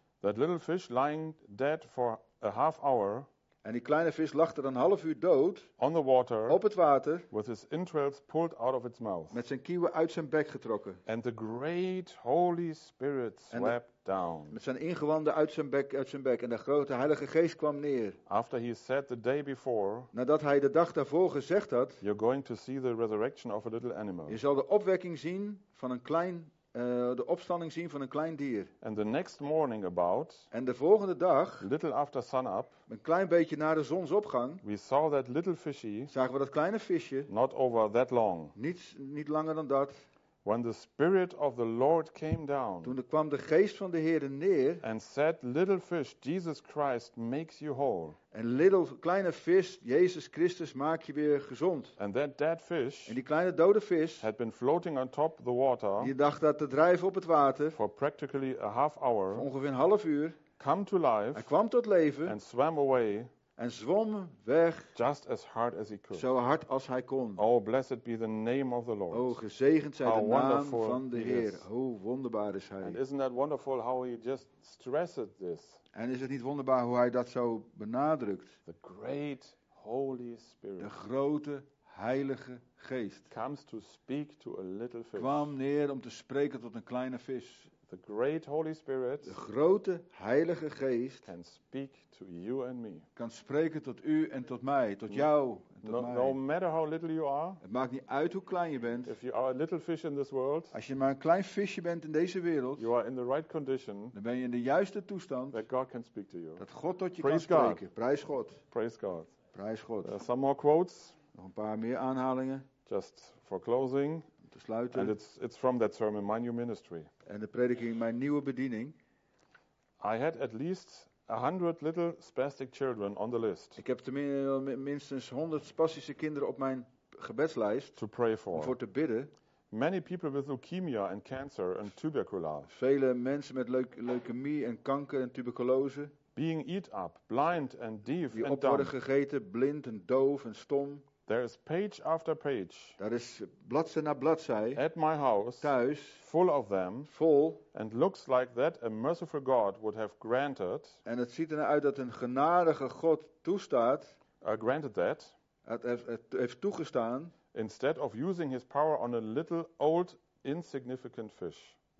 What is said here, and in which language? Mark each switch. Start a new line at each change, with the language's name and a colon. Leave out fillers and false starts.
English: That little fish lying dead for a half hour.
Dutch: En die kleine vis lag er een half uur dood.
English: On the water.
Dutch: Op het water.
English: With his entrails pulled out of its mouth.
Dutch: Met zijn kieuwen uit zijn bek getrokken.
English: And the great Holy Spirit swept down.
Dutch: Met zijn ingewanden uit zijn bek. En de grote Heilige Geest kwam neer.
English: After he said the day before.
Dutch: Nadat hij de dag daarvoor gezegd had.
English: You're going to see the resurrection of a little animal.
Dutch: Je zal de opwekking zien van een klein de opstanding zien van een klein dier.
English: And the next morning about.
Dutch: En de volgende dag.
English: Little after sun up.
Dutch: Een klein beetje na de zonsopgang.
English: We saw that little fishy.
Dutch: Zagen we dat kleine visje.
English: Not over that long.
Dutch: Niet langer dan dat.
English: When the Spirit of the Lord came down.
Dutch: Toen kwam de Geest van de Heer neer.
English: And said, little fish, Jesus Christ makes you whole.
Dutch: En
English: little
Dutch: kleine vis, Jezus Christus maakt je weer gezond.
English: And that dead fish.
Dutch: En die kleine dode vis.
English: Had been floating on top of the water.
Dutch: Die dacht dat te drijven op het water.
English: For practically a half hour.
Dutch: Voor ongeveer een half uur.
English: Come to life.
Dutch: Hij kwam tot leven.
English: And swam away.
Dutch: En zwom weg.
English: Just as hard as he could.
Dutch: Zo hard als hij kon.
English: Oh, blessed be the name of the Lord.
Dutch: Oh, gezegend zij de naam van de Heer. Hoe wonderbaar is hij.
English: And isn't that wonderful how he just stresses this?
Dutch: En is het niet wonderbaar hoe hij dat zo benadrukt?
English: The great Holy Spirit.
Dutch: De grote Heilige Geest.
English: Comes to speak to a little fish.
Dutch: Kwam neer om te spreken tot een kleine vis.
English: The great Holy Spirit,
Dutch: de grote Heilige Geest,
English: can speak to you and me.
Dutch: Kan spreken tot u en tot mij, tot jou en tot mij.
English: No matter how little you are,
Dutch: het maakt niet uit hoe klein je bent.
English: If you are a little fish in this world,
Dutch: als je maar een klein visje bent in deze wereld,
English: you are in the right condition,
Dutch: dan ben je in de juiste toestand.
English: That God can speak to you.
Dutch: Dat God tot je
English: Praise
Dutch: kan
English: God.
Dutch: Spreken. Prijs God.
English: Praise God.
Dutch: Prijs God.
English: Some more quotes.
Dutch: Nog een paar meer aanhalingen.
English: Just for closing.
Dutch: Sluiten.
English: And it's from that sermon, My New Ministry.
Dutch: En de prediking, Mijn Nieuwe Bediening.
English: I had at least 100 little spastic children on the list.
Dutch: Ik heb minstens 100 spastische kinderen op mijn gebedslijst.
English: To pray for.
Dutch: Om voor te bidden.
English: Many people with leukemia and cancer and tuberculosis.
Dutch: Vele mensen met leukemie en kanker en tuberculose.
English: Being eat up, blind and deaf and dumb.
Dutch: Die op worden gegeten, blind en doof en stom.
English: There is page after page.
Dutch: Daar is bladzij na bladzij.
English: At my house.
Dutch: Thuis.
English: Full of them.
Dutch: Vol.
English: And looks like that a merciful God would have granted.
Dutch: En het ziet eruit dat een genadige God toestaat.
English: Granted that.
Dutch: Het heeft toegestaan.
English: Instead of using his power on a little old insignificant fish.